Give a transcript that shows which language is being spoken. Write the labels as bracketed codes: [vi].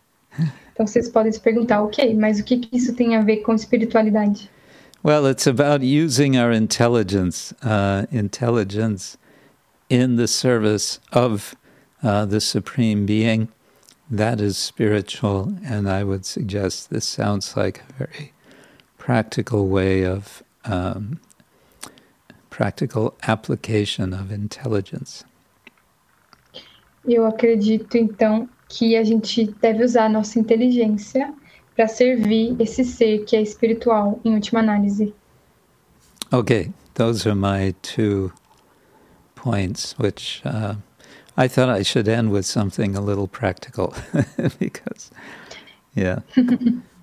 [pt] Então, vocês podem se perguntar, ok, mas o que, que isso tem a ver com espiritualidade? [en] Well, it's about using our intelligence in the service of the Supreme Being. That is spiritual, and I would suggest this sounds like a very practical way of practical application of intelligence. [pt] Eu acredito, então, que a gente deve usar a nossa inteligência para servir esse ser que é espiritual, em última análise. [en] Okay, those are my two points, which I thought I should end with something a little practical, because, yeah, the